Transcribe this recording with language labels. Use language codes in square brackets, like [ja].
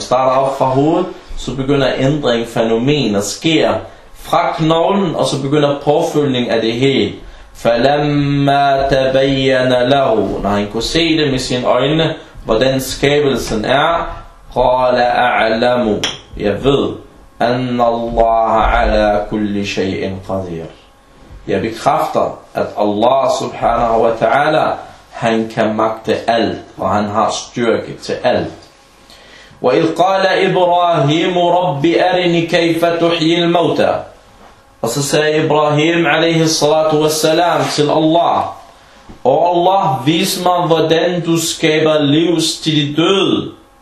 [da] Starter op fra hovedet, så begynder ændringen, fænomen at sker fra knoglen, og så begynder påfyldning af det hele. [ar] فَلَمَّا تَبَيَّنَ لَهُ. [da] Når han kunne se det med sine øjne, hvordan skabelsen er, [ar] قَالَ أَعْلَمُ. [da] Jeg ved, [ar] أَنَّ اللَّهَ عَلَى كُلِّ شَيْءٍ قَدِيرٍ. [da] Jeg bekræfter, at Allah subhanahu wa ta'ala, han kan magte alt, og han har styrke til alt. [ar] وَإِذْ قَالَ إِبْرَاهِيمُ رَبِّ أَرِنِي كَيْفَ تُحْيِي الْمَوْتَى. [da] Og så sagde Ibrahim alayhi salatu wassalam til Allah, O Allah, vis mig, hvordan du skaber livs til de døde.